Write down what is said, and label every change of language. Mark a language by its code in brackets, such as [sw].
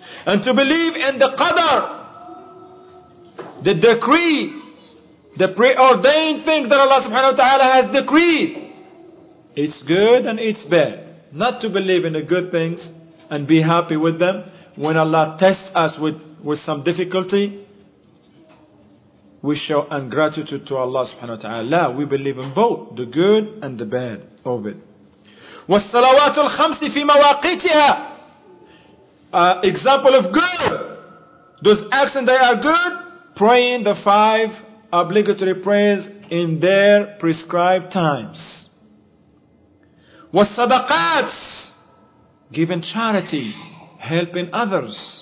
[en] And to believe in the Qadr, the decree, the preordained thing that Allah subhanahu wa ta'ala has decreed, it's good and it's bad. Not to believe in the good things and be happy with them when Allah tests us with some difficulty, we show ungratitude to Allah subhanahu wa ta'ala. We believe in both the good and the bad of it. [ar] والصلوات الخمس في مواقيتها. [en] Example of good. Those actions that are good, praying the five obligatory prayers in their prescribed times. والصدقات, giving charity, helping others.